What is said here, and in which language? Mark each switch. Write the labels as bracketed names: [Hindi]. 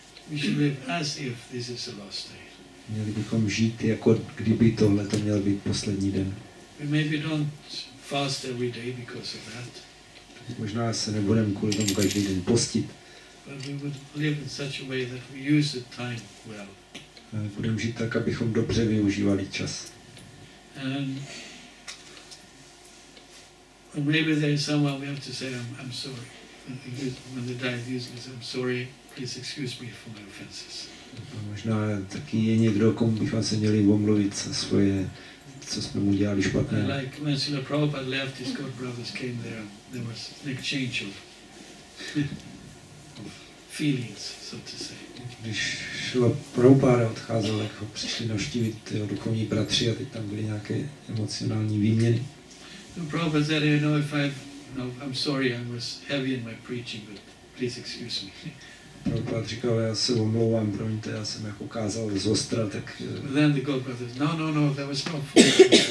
[English] We should live as if this is the last day. [Czech] Měli bychom žít, jako kdyby tohle to měl být poslední den. [English] We maybe don't fast every day because of that. [Czech] Možná se nebudeme kvůli tomu každý den postit. [English] But we would live in such a way that we use the time well. [Czech] Budeme žít tak, abychom dobře využívali čas. [English] And maybe there is someone we have to say, I'm sorry. when the diet uses, I'm sorry, please excuse me for my offenses. [Czech] Možná taky je někdo, komu bychom se měli omluvit za svoje, co jsme mu dělali špatné. [English] Like when Srila Prabhupada left, his god brothers came there. There was an exchange of feelings, so to say. [Czech] Když Srila Prabhupada odcházel, tak ho přišli navštívit jeho duchovní bratři a teď tam byly nějaké emocionální výměny. [English] Prabhupada said, you know, if I'm sorry, I was heavy in my preaching, but please excuse me. [Czech] Prabhupada říkal, já se omlouvám, promiňte, já jsem jako kázal z ostra, tak... [English] Then the god brothers, no, that was not fault.